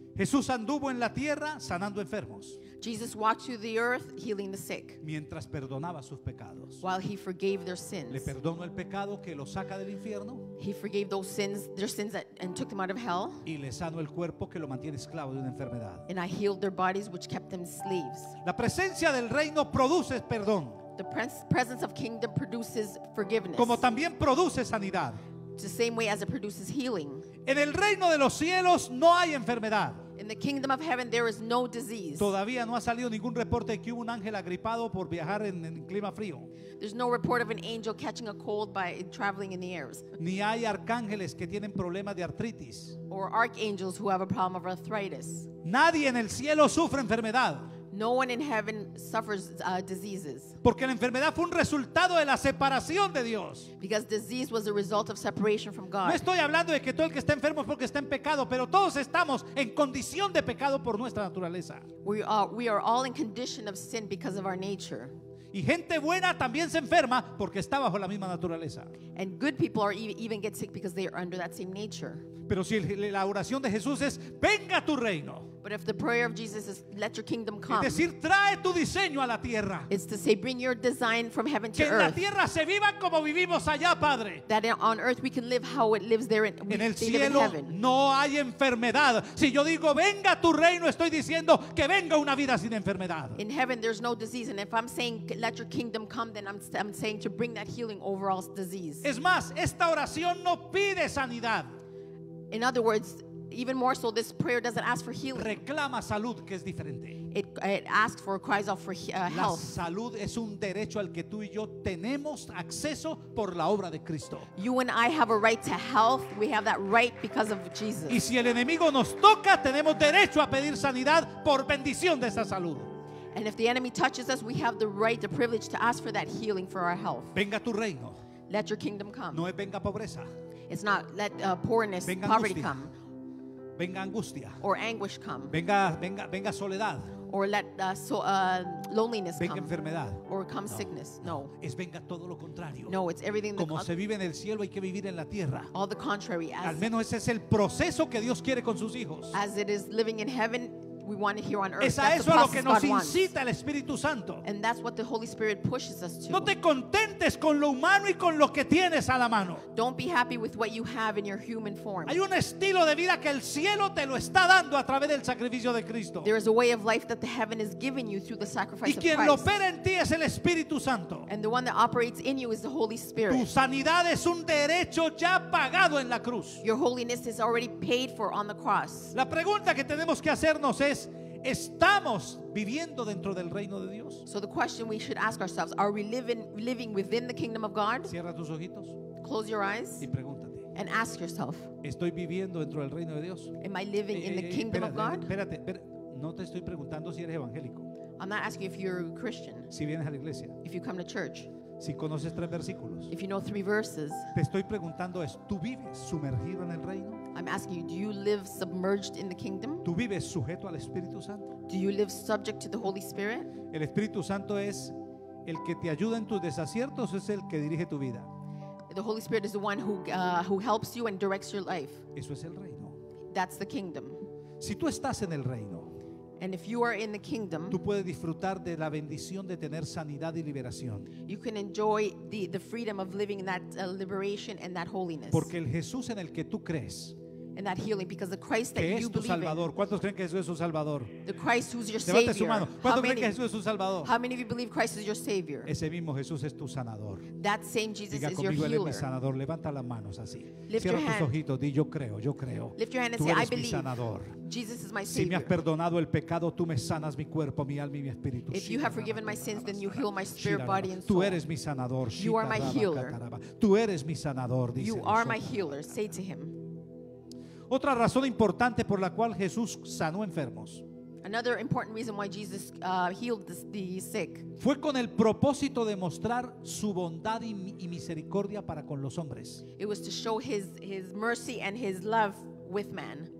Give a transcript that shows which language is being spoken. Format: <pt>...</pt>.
<es>Jesús anduvo en la tierra sanando enfermos.</es> <en>Jesus walked through the earth healing the sick.</en> <es>Mientras perdonaba sus pecados.</es> <en>While he forgave their sins.</en> <es>Le perdonó el pecado que lo saca del infierno.</es> <en>He forgave those sins, their sins that, and took them out of hell.</en> <es>Y le sanó el cuerpo que lo mantiene esclavo de una enfermedad.</es> <en>And I healed their bodies which kept them slaves.</en> <es>La presencia del reino produce perdón.</es> <en>The presence of kingdom produces forgiveness.</en> <es>Como también produce sanidad.</es> <en>The same way as it produces healing.</en> <es>En el reino de los cielos no hay enfermedad.</es> <en>In the kingdom of heaven there is no disease.</en> <es>Todavía no ha salido ningún reporte de que hubo un ángel agripado por viajar en clima frío.</es> <en>There's no report of an angel catching a cold by traveling in the air.</en> <es>Ni hay arcángeles que tienen problemas de artritis.</es> <en>Or archangels who have a problem of arthritis.</en> <es>Nadie en el cielo sufre enfermedad.</es> <en>No one in heaven suffers diseases.</en> <es>Porque la enfermedad fue un resultado de la separación de Dios.</es> <en>Because disease was a result of separation from God.</en> <es>No estoy hablando de que todo el que está enfermo es porque está en pecado, pero todos estamos en condición de pecado por nuestra naturaleza.</es> <en>We are all in condition of sin because of our nature.</en> <es>Y gente buena también se enferma porque está bajo la misma naturaleza.</es> <en>And good people are even get sick because they are under that same nature.</en> <es>Pero si la oración de Jesús es venga tu reino.</es> <en>But if the prayer of Jesus is let your kingdom come.</en> <es>Es decir, trae tu diseño a la tierra.</es> <en>It's to say bring your design from heaven to earth.</en> <es>Que en la tierra se viva como vivimos allá, Padre.</es> <en>That on earth we can live how it lives there in heaven.</en> <es>En el cielo no hay enfermedad. Si yo digo venga tu reino, estoy diciendo que venga una vida sin enfermedad.</es> <en>In heaven there's no disease, and if I'm saying let your kingdom come, then I'm saying to bring that healing over all disease.</en> <es>Es más, esta oración no pide sanidad.</es> <en>In other words, even more so, this prayer doesn't ask for healing.</en> <es>Reclama salud, que es diferente.</es> <en>It asks for, cries out for health.</en> <es>La salud es un derecho al que tú y yo tenemos acceso por la obra de Cristo.</es> <en>You and I have a right to health. We have that right because of Jesus.</en> <es>Y si el enemigo nos toca, tenemos derecho a pedir sanidad por bendición de esa salud.</es> <en>And if the enemy touches us, we have the right, the privilege to ask for that healing for our health.</en> <es>Venga tu reino.</es> <en>Let your kingdom come.</en> <es>No es venga pobreza.</es> <en>It's not let poorness,</en> <es>venga</es> <en>poverty come.</en> <es>Venga angustia.</es> <en>Or anguish come.</en> <es>Venga soledad.</es> <en>Or let loneliness</en> <es>venga</es> <en>come.</en> <es>Enfermedad.</es> <en>Or come no. Sickness. No.</en> <es>Es venga todo lo contrario.</es> <en>No, it's everything.</en> <es>Como se vive en el cielo, hay que vivir en la tierra.</es> <en>All the contrary.</en> <es>Al menos ese es el proceso que Dios quiere con sus hijos.</es> <en>As it is living in heaven, we want it here on earth.</en> <es>Es a eso a lo que nos incita el Espíritu Santo.</es> <en>And that's what the Holy Spirit pushes us to.</en> <es>No te contentes con lo humano y con lo que tienes a la mano.</es> <en>Don't be happy with what you have in your human form.</en> <es>Hay un estilo de vida que el cielo te lo está dando a través del sacrificio de Cristo.</es> <en>There is a way of life that the heaven is giving you through the sacrifice of Christ.</en> <es>Y quien lo opera en ti es el Espíritu Santo.</es> <en>And the one that operates in you is the Holy Spirit.</en> <es>Tu sanidad es un derecho ya pagado en la cruz.</es> <en>Your holiness is already paid for on the cross.</en> <es>La pregunta que tenemos que hacernos es: ¿estamos viviendo dentro del reino de Dios?</es> <en>So the question we should ask ourselves, are we living within the kingdom of God?</en> <es>Cierra tus ojitos.</es> <en>Close your eyes.</en> <es>Y pregúntate.</es> <en>And ask yourself,</en> <es>¿estoy viviendo dentro del reino de Dios?</es> <en>Am I living in the kingdom of God?</en> <es>Espérate, no te estoy preguntando si eres evangélico.</es> <en>I'm not asking if you're a Christian.</en> <es>Si vienes a la iglesia.</es> <en>If you come to church.</en> <es>Si conoces tres versículos.</es> <en>If you know three verses.</en> <es>Te estoy preguntando es, ¿tú vives sumergido en el reino?</es> <en>I'm asking you, do you live submerged in the kingdom?</en> <es>¿Tú vives sujeto al Espíritu Santo?</es> <en>Do you live subject to the Holy Spirit?</en> <es>El Espíritu Santo es el que te ayuda en tus desaciertos, es el que dirige tu vida.</es> <en>The Holy Spirit is the one who helps you and directs your life.</en> <es>Eso es el reino.</es> <en>That's the kingdom.</en> <es>Si tú estás en el reino,</es> <en>and if you are in the kingdom,</en> <es>tú puedes disfrutar de la bendición de tener sanidad y liberación.</es> <en>You can enjoy the freedom of living in that liberation and that holiness.</en> <es>Porque el Jesús en el que tú crees,</es> <en>and that healing, because the Christ that you believe in,</en> <es>que es tu Salvador. ¿Cuántos creen que Jesús es su Salvador?</es> <en>The Christ who's your Savior.</en> <es>Levante su mano. ¿Cuántos creen que Jesús es su Salvador?</es> <en>How many of you believe Christ is your Savior?</en> <es>Ese mismo Jesús es tu sanador.</es> <en>That same Jesus</en> <es>diga</es> <en>is your healer.</en> <es>Diga conmigo, Él es mi sanador. Levanta las manos así. Cierra tus ojitos. Di, yo creo.</es> <en>Lift your hand and</en> <es>tú</es> <en>say,</en> <es>eres</es> <en>I believe.</en> <es>Mi sanador.</es> <en>Jesus is my Savior.</en> <es>Si me has perdonado el pecado, tú me sanas mi cuerpo, mi alma y mi espíritu.</es> <en>If you have forgiven my sins, then you heal my spirit, body, and soul.</en> <es>Tú eres mi sanador.</es> <en>You are my healer.</en> <es>Tú eres mi sanador.</es> <en>You are my healer. Say to him.</en> <es>Otra razón importante por la cual Jesús sanó enfermos.</es> <en>Another important reason why Jesus healed the sick.</en> <es>Fue con el propósito de mostrar su bondad y misericordia para con los hombres.</es> <en>It was to show his mercy and his love with man.</en>